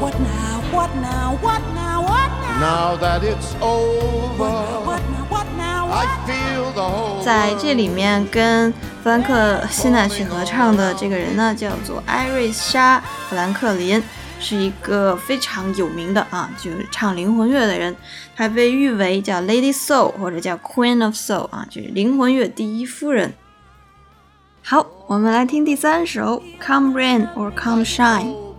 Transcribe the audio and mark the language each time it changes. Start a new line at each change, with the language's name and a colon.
English: What now, what now, what now, what now? Now that it's over, what now, what now, what now, what now? I feel the whole.
Chinese: 在这里面跟弗兰克辛纳曲合唱的这个人呢叫做艾瑞莎·弗兰克林，是一个非常有名的啊，就是唱灵魂乐的人，他被誉为叫 Lady Soul 或者叫 Queen of Soul 啊，就是灵魂乐第一夫人。好，我们来听第三首 Come Rain or Come Shine。